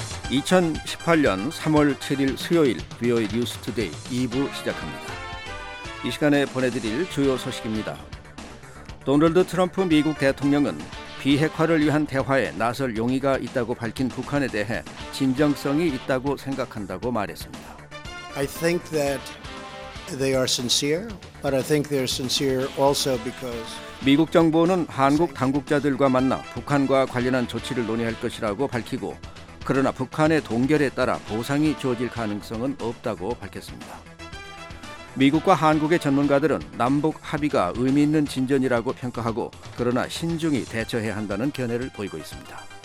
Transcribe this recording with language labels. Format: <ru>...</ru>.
<ko>2018년 3월 7일 수요일 VOA 뉴스 투데이 2부 시작합니다. 이 시간에 보내드릴 주요 소식입니다. 도널드 트럼프 미국 대통령은 비핵화를 위한 대화에 나설 용의가 있다고 밝힌 북한에 대해 진정성이 있다고 생각한다고 말했습니다.</ko> <en>I think that they are sincere, but I think they're sincere also because</en> <ko>미국 정부는 한국 당국자들과 만나 북한과 관련한 조치를 논의할 것이라고 밝히고, 그러나 북한의 동결에 따라 보상이 주어질 가능성은 없다고 밝혔습니다. 미국과 한국의 전문가들은 남북 합의가 의미 있는 진전이라고 평가하고, 그러나 신중히 대처해야 한다는 견해를 보이고 있습니다.</ko>